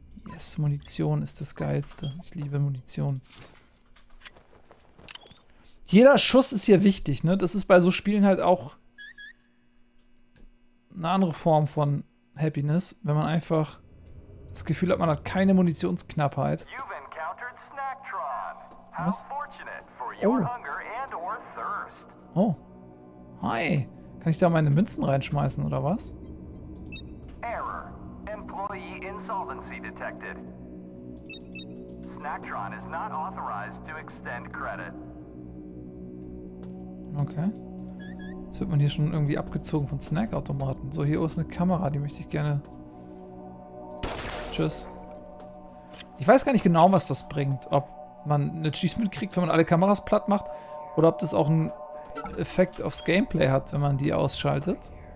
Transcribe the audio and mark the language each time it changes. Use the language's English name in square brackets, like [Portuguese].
[German] Yes, Munition ist das Geilste. Ich liebe Munition. Jeder Schuss ist hier wichtig, ne? Das ist bei so Spielen halt auch eine andere Form von Happiness, wenn man einfach das Gefühl hat, man hat keine Munitionsknappheit. [English] You've encountered Snacktron. How fortunate for your hunger and or thirst. Oh. Hi. [German] Kann ich da meine Münzen reinschmeißen oder was? [English] Error. Employee insolvency detected. Snacktron is not authorized to extend credit. Okay. [German] Jetzt wird man hier schon irgendwie abgezogen von Snackautomaten. So, hier ist eine Kamera, die möchte ich gerne. Tschüss. Ich weiß gar nicht genau, was das bringt. Ob man eine Cheese mitkriegt, wenn man alle Kameras platt macht. Oder ob das auch einen Effekt aufs Gameplay hat, wenn man die ausschaltet.